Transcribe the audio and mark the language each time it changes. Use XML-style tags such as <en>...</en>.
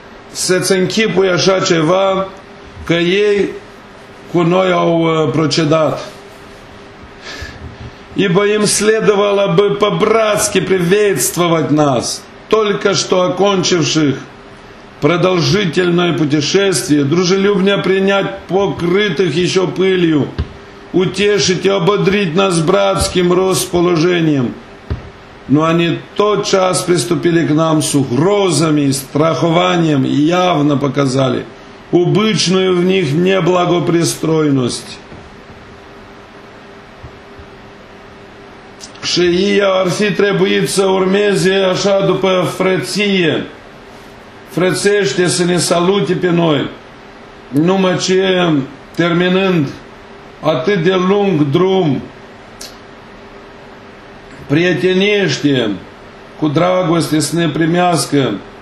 <ro>Să-ți închipui așa ceva, că ei cu noi au procedat.</ro> <ru>Ибо им следовало бы по-братски приветствовать нас, только что окончивших продолжительное путешествие, дружелюбно принять покрытых еще пылью, утешить и ободрить нас братским расположением. Но они тотчас приступили к нам с угрозами и страхованием и явно показали обычную в них неблагопристойность.</ru> <ro>Și ei ar fi trebuit să urmeze așa după frăție, frățește să ne salute pe noi, numai ce terminând atât de lung drum, prietenește cu dragoste să ne primească,</ro>